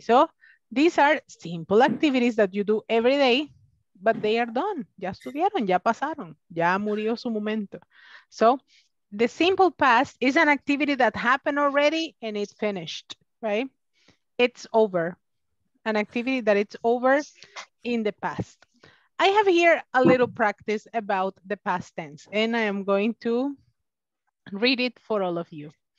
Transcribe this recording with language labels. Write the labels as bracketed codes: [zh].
[en] So these are simple activities that you do every day, but they are done. [es] Ya estuvieron, ya pasaron, ya murió su momento. [en] So the simple past is an activity that happened already and it finished, right? It's over. An activity that it's over in the past. I have here a little practice about the past tense, and I am going to read it for all of you.